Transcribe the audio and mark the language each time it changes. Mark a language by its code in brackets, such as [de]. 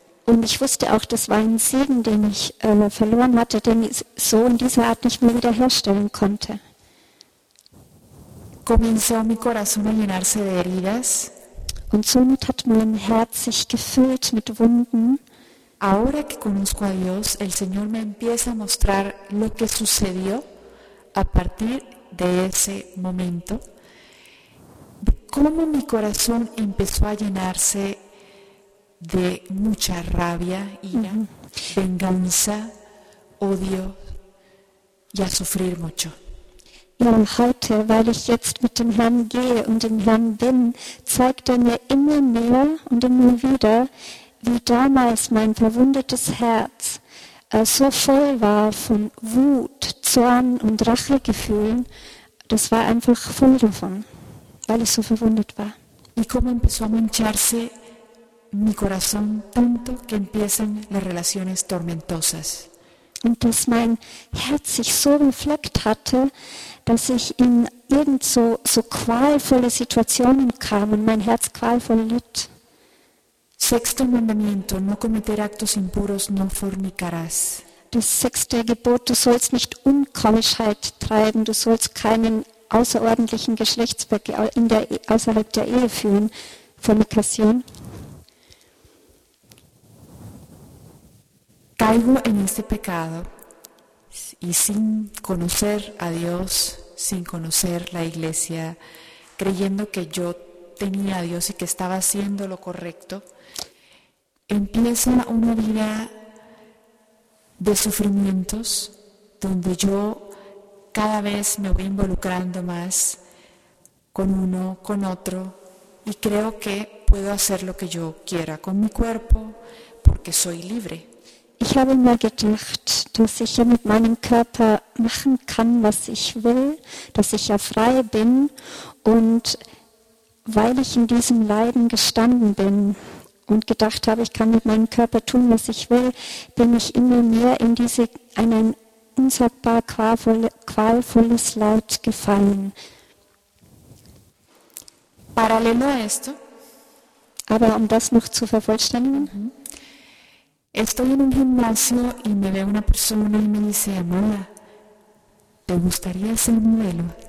[de] Und ich wusste auch, das war ein Segen, den ich verloren hatte, den ich so in dieser Art nicht mehr wiederherstellen konnte. [es] Comenzó mi corazón a llenarse de heridas. [de] Und somit hat mein Herz sich gefüllt mit Wunden. [es] Ahora que conozco a Dios, el Señor me empieza a mostrar lo que sucedió a partir de ese momento. Cómo mi corazón empezó a llenarse de mucha rabia, ira, venganza, odio y a sufrir mucho. [de] Ja, heute, weil ich jetzt mit dem Herrn gehe und dem Herrn bin, zeigt er mir immer mehr und immer wieder, wie damals mein verwundetes Herz so voll war von Wut, Zorn und Rachegefühlen. Das war einfach voll davon, weil ich so verwundet war. Wie kommt man so [es] mancharse mi corazón tanto que empiezan las relaciones tormentosas. [de] Und dass mein Herz sich so befleckt hatte, dass ich in irgend so qualvolle Situationen kam und mein Herz qualvoll litt. [es] Sexto mandamiento, no cometer actos impuros, no fornicarás. [de] Das sechste Gebot, du sollst nicht Unkeuschheit treiben, du sollst keinen außerordentlichen Geschlechtsverkehr außerhalb der Ehe führen, Fornikation. [es] Caigo en este pecado y sin conocer a Dios, sin conocer la iglesia, creyendo que yo tenía a Dios y que estaba haciendo lo correcto, empieza una vida de sufrimientos donde yo cada vez me voy involucrando más con uno, con otro y creo que puedo hacer lo que yo quiera con mi cuerpo porque soy libre. [de] Ich habe mir gedacht, dass ich ja mit meinem Körper machen kann, was ich will, dass ich ja frei bin. Und weil ich in diesem Leiden gestanden bin und gedacht habe, ich kann mit meinem Körper tun, was ich will, bin ich immer mehr in in ein unsagbar qualvolles Leid gefallen. [es] Parallel a esto. [de] Aber um das noch zu vervollständigen. [es] Estoy en un gimnasio y me ve una persona y me dice, Amanda, ¿te gustaría ser modelo?